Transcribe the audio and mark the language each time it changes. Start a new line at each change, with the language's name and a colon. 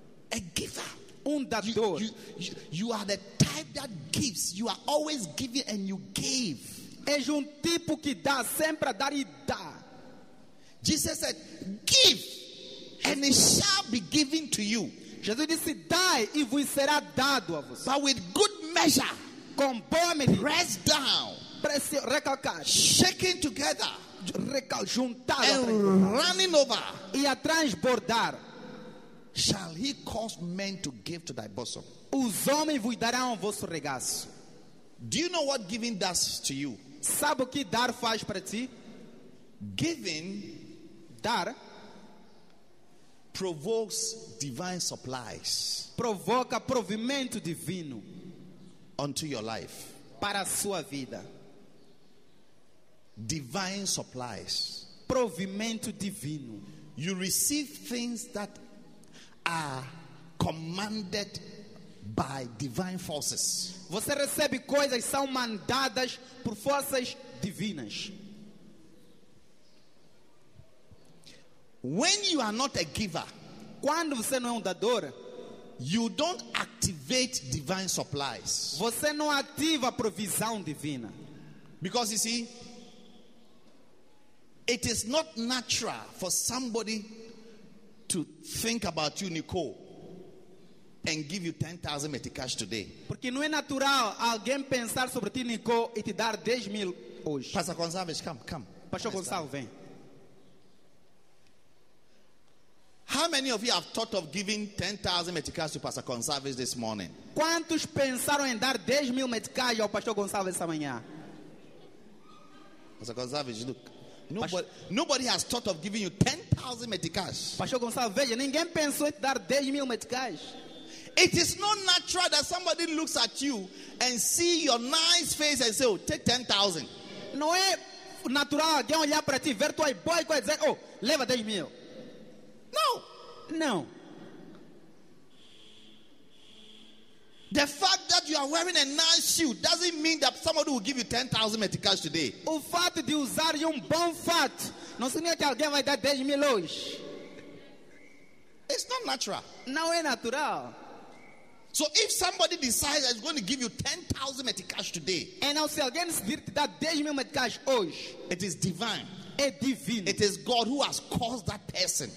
English: A giver.
Portuguese: Dador.
English: You are the type that gives. You are always giving and you give.
Portuguese: És tipo que dá, sempre a dar e dá.
English: Jesus said, give and it shall be given to you.
Portuguese: Jesus disse, dai e vos será dado a você.
English: But with good measure.
Portuguese: Com boa medida.
English: Press down.
Portuguese: Recalcar.
English: Shaking together.
Portuguese: Juntar
English: and running over,
Portuguese: e a transbordar,
English: shall he cause men to give to thy bosom?
Portuguese: Os homens vos darão o vosso regaço.
English: Do you know what giving does to you?
Portuguese: Sabe o que dar faz para ti?
English: Giving,
Portuguese: dar,
English: provokes divine supplies.
Portuguese: Provoca provimento divino
English: unto your life.
Portuguese: Para a sua vida.
English: Divine supplies.
Portuguese: Provimento divino.
English: You receive things that are commanded by divine forces.
Portuguese: Você recebe coisas que são mandadas por forças divinas.
English: When you are not a giver,
Portuguese: quando você não é dador,
English: you don't activate divine supplies.
Portuguese: Você não ativa a provisão divina.
English: Because you see, it is not natural for somebody to think about you, Nicole, and give you 10,000 meticash today.
Portuguese: Porque não é natural alguém pensar sobre ti, Nicole, e te dar 10 mil hoje.
English: Pastor Gonçalves, come.
Portuguese: Pastor Gonçalves, vem.
English: How many of you have thought of giving 10,000 meticash to Pastor Gonçalves this morning?
Portuguese: Quantos pensaram em dar 10 mil meticash ao Pastor Gonçalves esta manhã?
English: Pastor Gonçalves, look. Nobody has thought of giving you 10,000 meticais.
Portuguese: Pastor Gonçalves, veja, ninguém pensou em dar 10 mil meticais.
English: It is not natural that somebody looks at you and see your nice face and say, oh, take 10,000.
Portuguese: Não é natural alguém olhar para ti, ver tua boa e dizer, oh, leva 10 mil.
English: No. No. The fact that you are wearing a nice shoe doesn't mean that somebody will give you 10,000 meticais today.
Portuguese: O fato de usar um bom fato não significa que alguém vai dar 10 mil hoje.
English: It's not natural.
Portuguese: Não é natural.
English: So if somebody decides that he's going to give you 10,000 meticais today, and now
Portuguese: se alguém decidir te dar 10 mil meticais hoje,
English: it is divine.
Portuguese: É divino.
English: It is God who has caused that person.